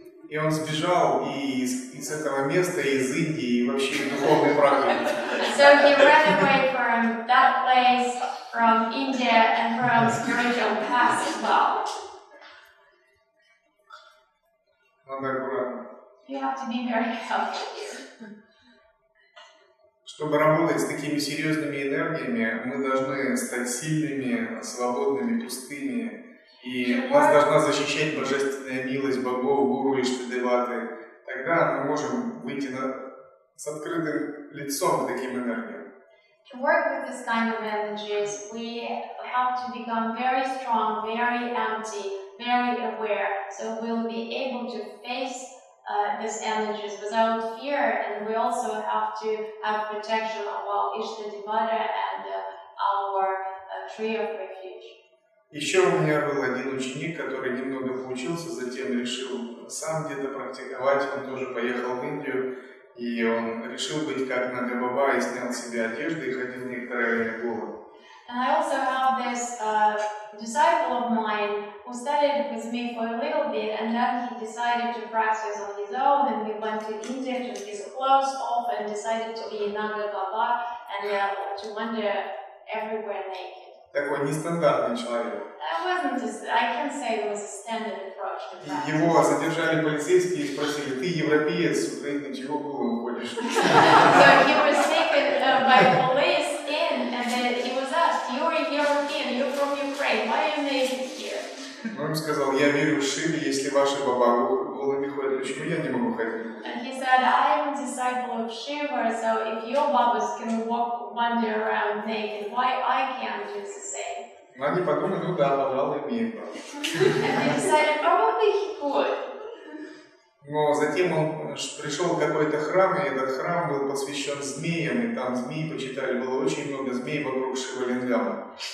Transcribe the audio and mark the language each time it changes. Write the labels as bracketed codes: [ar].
[ru] И он сбежал из этого места, из Индии, и вообще духовный практик. [en] So he ran away from that place, from India, and from spiritual path as well. [ru] Надо аккуратно. [en] You have to be very careful. [ru] Чтобы работать с такими серьезными энергиями, мы должны стать сильными, свободными, пустыми. И нас должна защищать божественная милость богов, гуру и Шридеваты. Тогда мы можем выйти с открытым лицом к таким энергиям. [en] To work with this kind of energies, we have to become very strong, very empty, very aware. So we'll be able to face these energies without fear. And we also have to have protection of our Ishtadevata and our tree of refuge. [ru] Еще у меня был один ученик, который немного поучился, затем решил сам где-то практиковать. Он тоже поехал в Индию, и он решил быть как Нага Баба и снял с себя одежду и ходил некоторое время голым. [en] And I also have this disciple of mine who studied with me for a little bit, and then he decided to practice on his own, and he went to India, took his clothes off, and decided to be Nanga Baba and to wander everywhere naked. [ru] Такой нестандартный человек. [en] I can't say it was a standard approach. [ru] Его задержали полицейские и спросили: ты европеец, с Украины, чего голым ходишь? [en] So he was taken by police in, and then he was asked, you're a European, you're from Ukraine, why are you naked here? [ru] Он им сказал, я верю в Шиве, если ваши баба голыми ходят, почему я не могу ходить? [en] And he said, I am a disciple of Shiva, so if your babas can walk wander around naked, why I can't do the same? [ru] Они подумали, ну да, пожалуй, имеет право. [en] And they decided, probably he could. [ru] Но затем он пришел в какой-то храм, и этот храм был посвящен змеям, и там змеи почитали, было очень много змей вокруг Шивалингама.